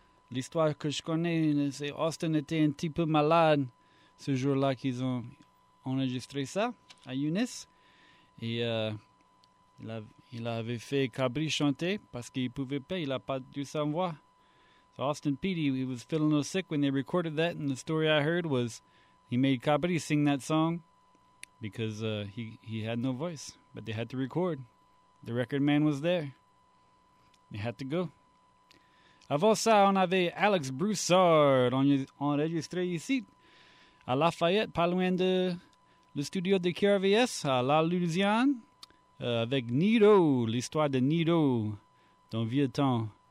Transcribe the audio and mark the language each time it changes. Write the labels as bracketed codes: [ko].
[fr] L'histoire que je connais, c'est Austin était un petit peu malade ce jour-là qu'ils ont enregistré ça à Younes. Et il avait fait Cabri chanter parce qu'il pouvait pas, il a pas dû sa voix. [en] So Austin Petey, he was feeling a little sick when they recorded that, and the story I heard was he made Cabri sing that song because he had no voice, but they had to record. The record man was there. They had to go. [fr] Avant ça, on avait Alex Broussard enregistré ici à Lafayette, pas loin de le studio de KRVS, à La Louisiane, avec Nido, l'histoire de Nido, dans vieux temps.